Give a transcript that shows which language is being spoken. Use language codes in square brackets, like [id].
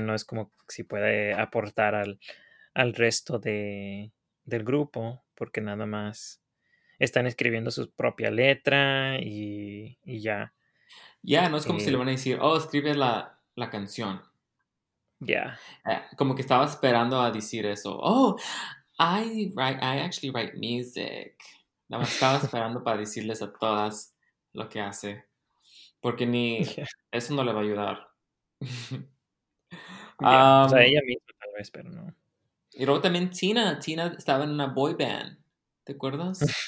[es] No es como si puede aportar al resto del grupo. Porque nada más están escribiendo su propia letra y ya. Ya, yeah, no es como si le van a decir, oh, escribe la canción. Ya. Yeah. Como que estaba esperando a decir eso. [en] Oh, I actually write music. [es] Nada más estaba esperando para decirles a todas lo que hace. Porque ni yeah. Eso no le va a ayudar. Yeah, o sea, ella misma tal vez, pero no. Y luego también Tina estaba en una boy band. ¿Te acuerdas?